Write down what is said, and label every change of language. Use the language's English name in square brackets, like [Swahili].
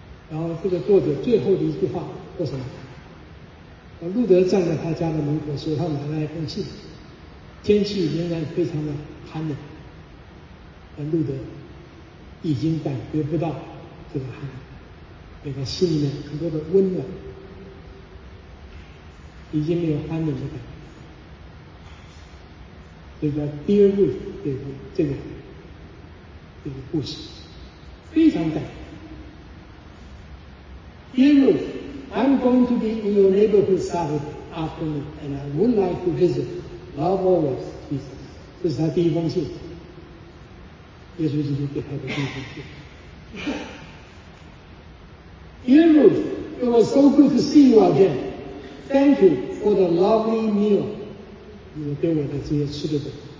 [Chinese] 然后这个作者最后的一句话说什么？路德站在他家的门口，手上拿了一封信，天气仍然非常的寒冷，但路德已经感觉不到这个寒冷，给他心里面很多的温暖，已经没有寒冷的感觉。这个 Dear Ruth 这个故事非常感人。 [English] Dear Ruth，I'm going to be in your neighborhood Saturday afternoon and I would like to visit. Love always, Jesus. [Chinese] 这是他第一封信，耶稣基督给他的第一封信。 [English] Dear Ruth, it was so good to see you again. Thank you for the lovely meal you gave me this evening.